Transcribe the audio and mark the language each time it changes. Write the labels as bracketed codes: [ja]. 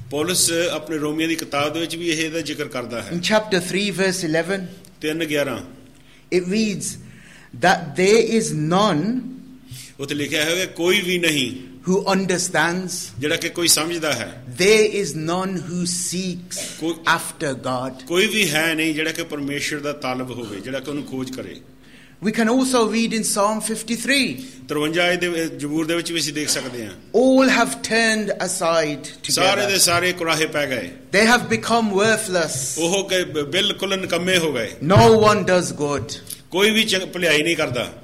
[pa] Paulus apne romiyan di kitab de vich vi eh da zikr karda hai. [en] In chapter 3 verse 11. 3:11. It reads that there is none [pa] ਉੱਥੇ ਲਿਖਿਆ ਹੈ ਕਿ ਕੋਈ ਵੀ ਨਹੀਂ [en] who understands [pa] ਜਿਹੜਾ ਕਿ ਕੋਈ ਸਮਝਦਾ ਹੈ [en] there is none who seeks after God [pa] ਕੋਈ ਵੀ ਹੈ ਨਹੀਂ ਜਿਹੜਾ ਕਿ ਪਰਮੇਸ਼ਰ ਦਾ ਤਾਲਬ ਹੋਵੇ ਜਿਹੜਾ ਕਿ ਉਹਨੂੰ ਖੋਜ ਕਰੇ [en] we can also read in Psalm 53 [pa] 53 ਦੇ ਜ਼ਬੂਰ ਦੇ ਵਿੱਚ ਵੀ ਅਸੀਂ ਦੇਖ ਸਕਦੇ ਹਾਂ [en] all have turned aside together [pa] ਸਾਰੇ ਦੇ ਸਾਰੇ ਕੁਰਾਹੇ ਪੈ ਗਏ [en] they have become worthless [pa] ਉਹ ਬਿਲਕੁਲ ਨਕੰਮੇ ਹੋ ਗਏ [en] no one does good [pa] ਕੋਈ ਵੀ ਭਲਾਈ ਨਹੀਂ ਕਰਦਾ